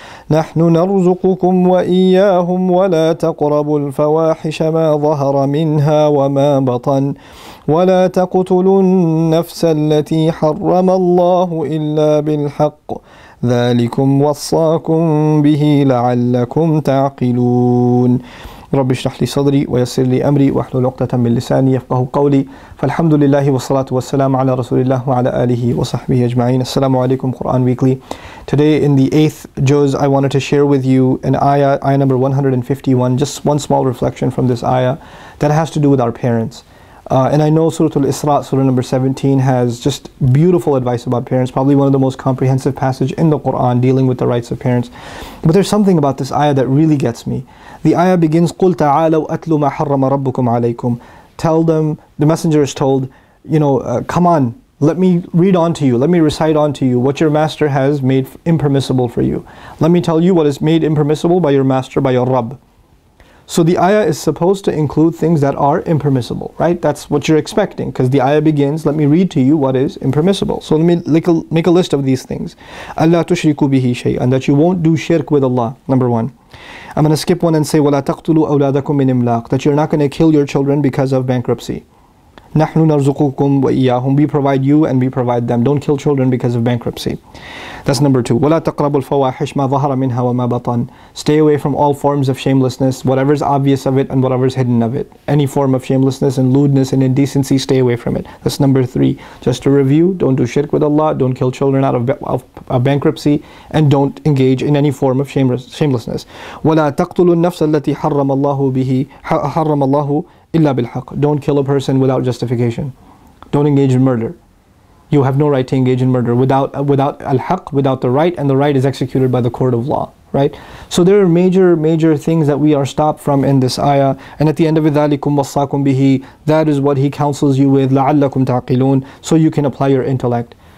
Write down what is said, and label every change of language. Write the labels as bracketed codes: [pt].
[ar] نحن نرزقكم وإياهم ولا تقربوا الفواحش ما ظهر منها وما بطن ولا تقتلوا النفس التي حرم الله إلا بالحق ذلكم وصاكم به لعلكم تعقلون رب اشرح لي صدري ويسر لي أمري واحلل عقدة من لساني يفقه قولي فالحمد لله والصلاة والسلام على رسول الله وعلى آله وصحبه أجمعين السلام عليكم قرآن ويكلي. [en] Today in the 8th Juzz, I wanted to share with you an ayah number 151, just one small reflection from this ayah that has to do with our parents. And I know Surah Al-Isra, Surah number 17, has just beautiful advice about parents, probably one of the most comprehensive passages in the Qur'an dealing with the rights of parents. But there's something about this ayah that really gets me. The ayah begins, [ar] قُلْ تَعَالَوْ أَتْلُ مَا حَرَّمَ رَبُّكُمْ عَلَيْكُمْ. [en] Tell them, the messenger is told, you know, come on, let me read on to you, let me recite on to you what your master has made impermissible for you. Let me tell you what is made impermissible by your master, by your Rabb. So the ayah is supposed to include things that are impermissible, right? That's what you're expecting, because the ayah begins, let me read to you what is impermissible. So let me make a list of these things. [ar] أَلَّا تُشْرِكُ بِهِ شَيْئًا, [en] that you won't do shirk with Allah, number one. I'm going to skip one and say, [ar] وَلَا تَقْتُلُوا أَوْلَادَكُمْ مِنْ إِمْلَاقٍ, [en] that you're not going to kill your children because of bankruptcy. [ar] نَحْنُ نَرْزُقُكُمْ وَإِيَّاهُمْ, [en] we provide you and we provide them. Don't kill children because of bankruptcy. That's number two. [ar] وَلَا تَقْرَبُوا الْفَوَاحِشْ مَا ظَهَرَ مِنْهَا وَمَا بَطَنَ, [en] stay away from all forms of shamelessness, whatever's obvious of it and whatever's hidden of it. Any form of shamelessness and lewdness and indecency, stay away from it. That's number three. Just to review, don't do shirk with Allah, don't kill children out of bankruptcy, and don't engage in any form of shamelessness. [ar] وَلَا تَقْتُلُوا النَّفْسَ الَّتِي حَرَّمَ اللَّهُ بِهِ حَرَّمَ اللَّهُ إِلَّا بِالْحَقِّ, [en] don't kill a person without justification. Don't engage in murder. You have no right to engage in murder without al-haq, without the right, and the right is executed by the court of law, right? So there are major things that we are stopped from in this ayah. And at the end of it, [ar] ذَلِكُمْ وَصَّاكُمْ بِهِ, [en] that is what he counsels you with, [ar] لَعَلَّكُمْ تَعْقِلُونَ, [en] so you can apply your intellect.